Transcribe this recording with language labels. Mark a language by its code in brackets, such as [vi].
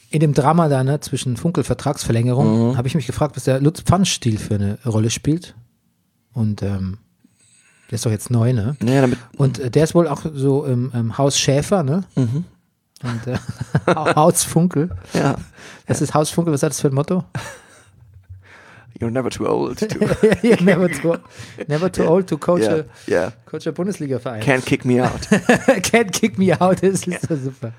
[de] In dem Drama da, ne, zwischen Funkel-Vertragsverlängerung, habe ich mich gefragt, was der Lutz Pfannstiel für eine Rolle spielt. Und der ist doch jetzt neu, ne? Naja, damit, und der ist wohl auch so im Haus Schäfer, ne? Mhm. Und Haus Funkel. Ja. Das ist Haus Funkel, was hat das für ein Motto? [en] You're never too old to. You're never too old to coach, coach a Bundesliga-Verein. Can't kick me out. Can't kick me out, [de] das ist so super.